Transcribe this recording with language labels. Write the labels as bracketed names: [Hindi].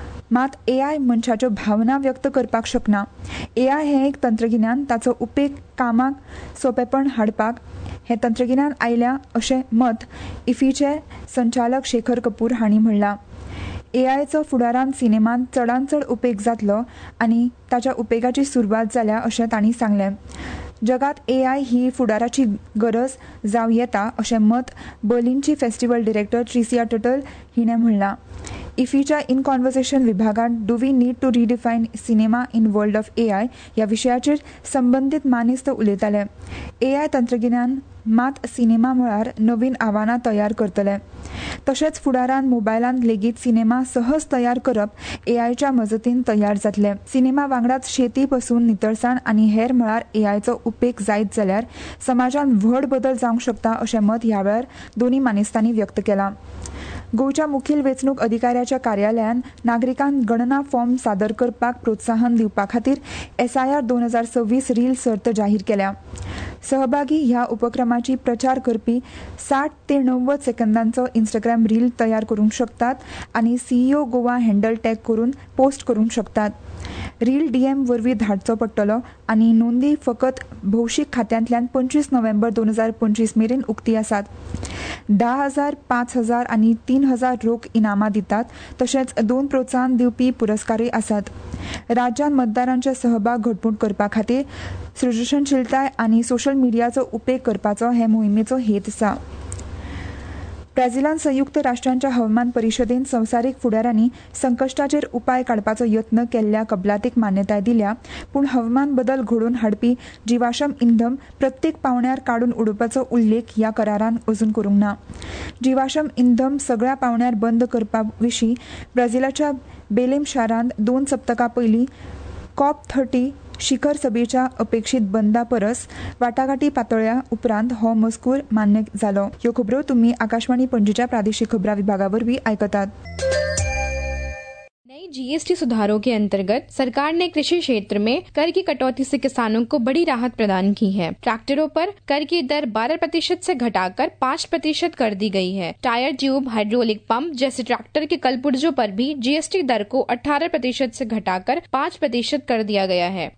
[Goan Konkani] मात AI मनशाच्यो भावना व्यक्त करपाक शकना. AI हे एक तंत्रगिन्यान, ताचो उपेग कामाक सोपेपण हाडपाक हे तंत्रगिन्यान आयल्या अशें मत इफ्फीचे संचालक शेखर कपूर हांणी म्हणला. AIचो फुडारान सिनेमांत चडांत चड उपेग जातलो आनी ताच्या उपेगाची सुरवात जाल्या अशें तांणी सांगलें. जगात AI ही फुडाराची गरज जावं येता अशें मत बर्लिनची फेस्टिवल डिरेक्टर ट्रिसिया टटल हिणें म्हणला. इफ्फीच्या इन कॉन्वर्सेशन विभागात [English] do we need to redefine cinema in world of AI [Goan Konkani] या विषयाचेर संबंधित मानेस्त उलयताले. AI तंत्रगिन्यान मात सिनेमा मळार नवीन आव्हानां तयार करतले. तशेंच फुडारान मोबायलांत लेगीत सिनेमा सहज तयार करप AIच्या मजतीन तयार जातले. सिनेमा वांगडाच शेती पासून नितळसाण आनी हेर मळार AIचो उपेग जायत जाल्यार समाजांत व्हड बदल जावंक शकता अशें मत ह्या वेळार दोनी मानेस्तांनी व्यक्त केलां. गोंयच्या मुखेल वेंचणूक अधिकाऱ्याच्या कार्यालयान नागरिकांक गणना फॉर्म सादर करपाक प्रोत्साहन दिवपा खातीर SIR 2026 रील सर्त जाहीर केल्या. सहभागी ह्या उपक्रमाची प्रचार करपी 60 ते 90 सेकंदांचो इंस्टाग्राम रील तयार करूंक शकतात आनी CEO गोवा हँडल टॅग करून पोस्ट करूंक शकतात. रील DM वरवीं धाडचो पडटलो आनी नोंदी फकत भौशीक खात्यांतल्यान 25 नोव्हेंबर 2025 मेरेन उक्ती आसात. 10,000, 5,000 आनी 3,000 रोख इनामां दितात. तशेंच 2 प्रोत्साहन दिवपी पुरस्कारूय आसात. राज्यांत मतदारांचे सहभाग घटमूट करपा खातीर सृजनशीलताय आनी सोशल मिडियाचो उपेग करपाचो हे मोहिमेचो हेत आसा. ब्राझीलांत संयुक्त राष्ट्रांच्या हवामान परिषदेन संवसारीक फुडाऱ्यांनी संकश्टाचेर उपाय काढपाचो यत्न केल्ल्या कबलातीक मान्यताय दिल्या. पूण हवामान बदल घडून हाडपी जिवाशम इंधन प्रत्येक पावण्यार काढून उडोवपाचो उल्लेख ह्या करारान अजून करूंक ना. जिवाशम इंधन सगळ्या पावण्यार बंद करपा विशीं ब्राझीलाच्या बेलेम शारांत 2 सप्तकां पयलीं COP30 शिखर सभेच्या अपेक्षित बंदा परस वाटाघाटी पातळ्या उपरांत हो मजकूर मान्य झालो. ह्यो खबरो तुम्ही आकाशवाणी पणजीच्या प्रादेशिक खबरां विभागावरवी आयकतात. [Hindi] नई जीएसटी सुधारों के अंतर्गत सरकार ने कृषि क्षेत्र में कर की कटौती से किसानों को बड़ी राहत प्रदान की है. ट्रैक्टरों पर कर की दर 12% से घटाकर 5% कर दी गई है. टायर ट्यूब हाइड्रोलिक पंप जैसे ट्रैक्टर के कलपुर्जों पर भी जीएसटी दर को 18% से घटाकर 5% कर दिया गया है.